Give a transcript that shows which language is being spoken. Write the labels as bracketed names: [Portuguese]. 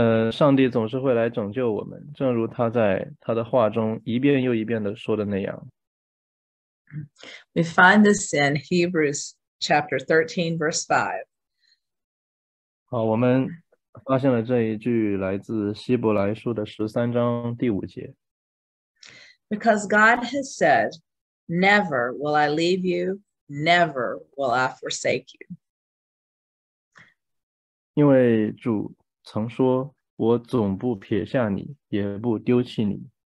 [Chinese] 上帝总是会来拯救我们，正如他在他的话中一遍又一遍的说的那样。 [English] We find this in Hebrews chapter 13, verse 5. [Chinese] 好，我们发现了这一句来自希伯来书的十三章第五节。 [English] Because God has said, never will I leave you, never will I forsake you. [Chinese] 因为主曾说，我总不撇下你，也不丢弃你。